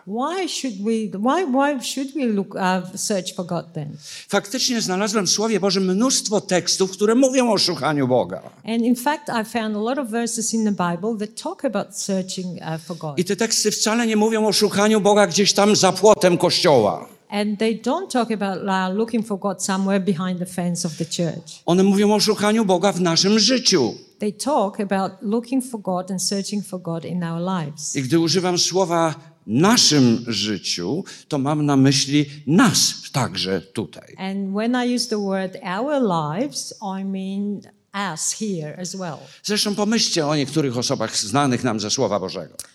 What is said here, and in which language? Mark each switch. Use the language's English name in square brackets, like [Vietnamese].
[English] Why should we look search for God then? [Polish] Faktycznie znalazłem w Słowie Bożym mnóstwo tekstów, które mówią o szukaniu Boga. [English] And in fact I found a lot of verses in the Bible that talk about searching for God. [Polish] I te teksty wcale nie mówią o szukaniu Boga gdzieś tam za płotem kościoła. [English] And they don't talk about looking for God somewhere behind the fence of the church. [Polish] One mówią o szukaniu Boga w naszym życiu. [English] They talk about looking for God and searching for God in our lives. [Polish] I gdy używam słowa naszym życiu, to mam na myśli nas także tutaj. [English] And when I use the word our lives, I mean us here as well. [Polish] Zresztą pomyślcie o niektórych osobach znanych nam ze Słowa Bożego.